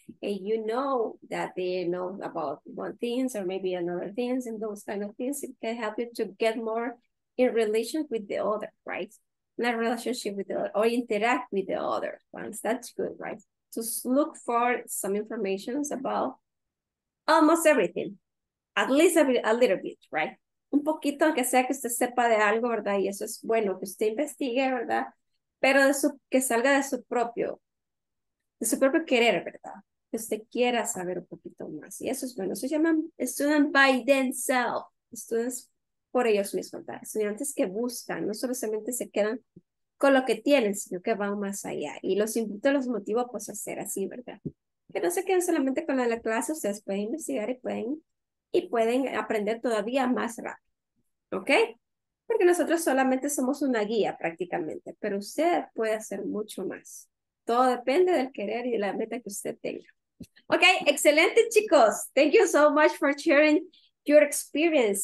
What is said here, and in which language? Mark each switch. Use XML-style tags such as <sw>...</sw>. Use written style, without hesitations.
<en>And you know that they know about one things or maybe another things and those kind of things. It can help you to get more in relation with the other, right? In a relationship with the other or interact with the other ones. That's good, right? To look for some information about almost everything. At least a little bit, right?</en> <es>Un poquito, aunque sea que usted sepa de algo, ¿verdad? Y eso es bueno, que usted investigue, ¿verdad? Pero que salga de su propio querer, ¿verdad? Que usted quiera saber un poquito más. Y eso es bueno. Se llaman</es> <en>students by themselves.</en> <es>Students por ellos mismos, ¿verdad? Estudiantes que buscan. No solamente se quedan con lo que tienen, sino que van más allá. Y los invito, los motivo pues, a hacer así, ¿verdad? Que no se queden solamente con la clase. Ustedes pueden investigar y pueden aprender todavía más rápido. ¿Ok? Porque nosotros solamente somos una guía prácticamente. Pero usted puede hacer mucho más. Todo depende del querer y de la meta que usted tenga. Okay, excelente, chicos.</es> <en>Thank you so much for sharing your experience.</en>